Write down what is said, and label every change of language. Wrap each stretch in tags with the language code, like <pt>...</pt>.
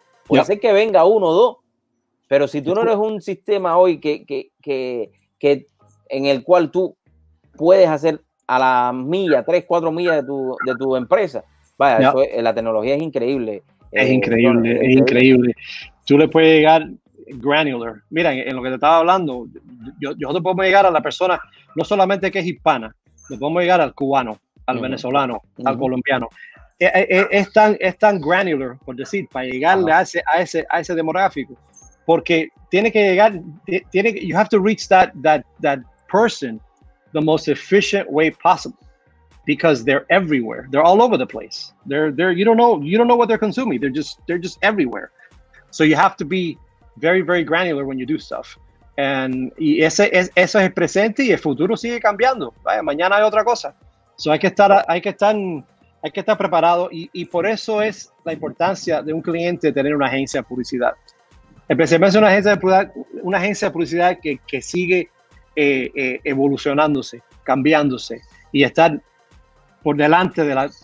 <es>Puede ser que venga uno o dos, pero si tú no eres un sistema hoy que en el cual tú puedes hacer a la milla, 3-4 millas de tu empresa, vaya, eso es, la tecnología es increíble. Es increíble. Tú le puedes llegar granular. Mira, en lo que te estaba hablando, yo te puedo llegar a la persona, no solamente que es hispana, le podemos llegar al cubano, al, uh-huh, venezolano, uh-huh, al colombiano. Es tan granular, por decir, para llegarle, uh-huh, a ese demográfico, porque tiene que llegar,</es> <en>you have to reach that person the most efficient way possible, because they're everywhere, they're all over the place, they're you don't know what they're consuming, they're just everywhere, so you have to be very very granular when you do stuff.</en> <es>Y eso es el presente, y el futuro sigue cambiando. Vaya, mañana hay otra cosa. So hay que estar preparado, y por eso es la importancia de un cliente tener una agencia de publicidad. Especialmente una agencia de publicidad que sigue evolucionándose, cambiándose, y estar por delante de la...</es>